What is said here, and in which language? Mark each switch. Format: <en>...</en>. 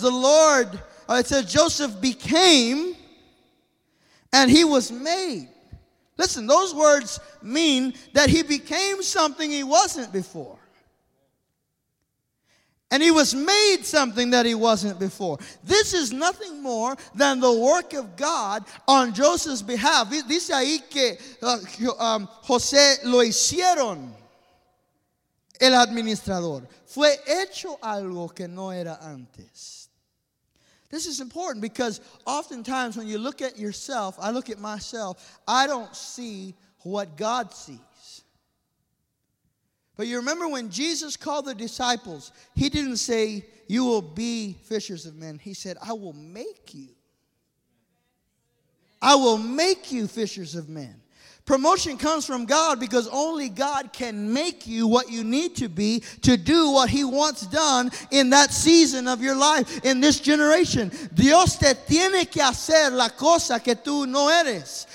<en>The Lord, it says Joseph became and he was made. Listen, those words mean that he became something he wasn't before. And he was made something that he wasn't before. This is nothing more than the work of God on Joseph's behalf.</en> <es>Dice ahí que José lo hicieron el administrador. Fue hecho algo que no era antes.</es> <en>This is important because oftentimes when you look at yourself, I look at myself, I don't see what God sees. But you remember when Jesus called the disciples, he didn't say, you will be fishers of men. He said, I will make you. I will make you fishers of men. Promotion comes from God because only God can make you what you need to be to do what he wants done in that season of your life, in this generation.</en> <es>Dios te tiene que hacer la cosa que tú no eres.</es>